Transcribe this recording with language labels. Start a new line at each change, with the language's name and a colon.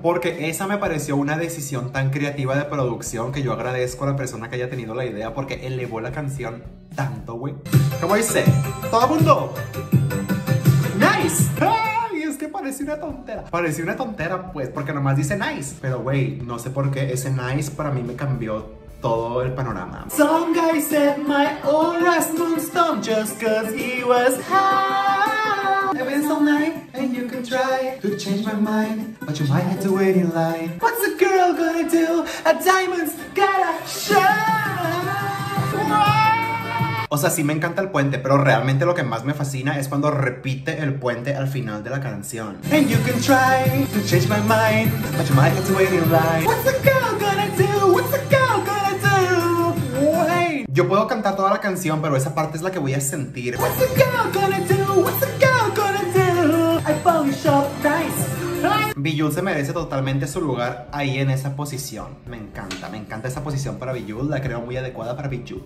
Spanish: Porque esa me pareció una decisión tan creativa de producción que yo agradezco a la persona que haya tenido la idea, porque elevó la canción tanto, güey. ¿Cómo dice? ¡Todo mundo! ¡Nice! ¡Ay! Es que parecía una tontera. Parecía una tontera, pues, porque nomás dice nice. Pero, güey, no sé por qué ese nice para mí me cambió todo el panorama.
English: Some guy said my aura's moonstone just cause he was high. Heaven's all night and you can try to change my mind, but you might have to wait in line. What's a girl gonna do? A diamond's gotta shine.
Spanish: O sea, sí me encanta el puente, pero realmente lo que más me fascina es cuando repite el puente al final de la canción.
English: And you can try to change my mind, but you might have to wait in line. What's a girl gonna do? What's a girl gonna do? Wait.
Spanish: Yo puedo cantar toda la canción, pero esa parte es la que voy a sentir.
English: What's a girl gonna do? What's a girl gonna do? I found you so nice.
Spanish: Bijouled se merece totalmente su lugar ahí en esa posición. Me encanta esa posición para Bijouled. La creo muy adecuada para Bijouled.